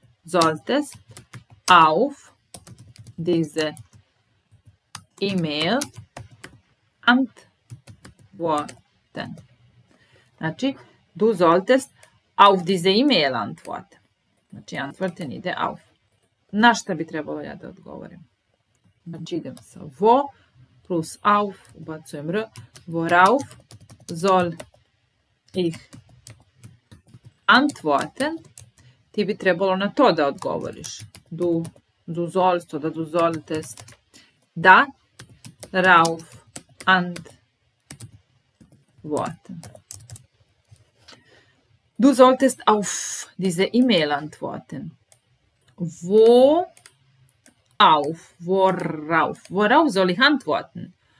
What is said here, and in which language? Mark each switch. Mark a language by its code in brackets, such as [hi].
[de] Solltest auf diese E-Mail antworten. [sr] Znači, [de] du solltest auf diese E-Mail antworten. [sr] Znači, antworten ide auf. Na šta bi trebalo ja da odgovorim? Znači, idem sa wo plus auf, ubacujem r, [de] worauf soll ich antworten. [sr] Ti bi trebalo na to da odgovoriš. [de] Du sollst oder du solltest da rauf antworten. Du solltest auf diese E-Mail antworten. Wo auf, worauf, worauf soll ich antworten?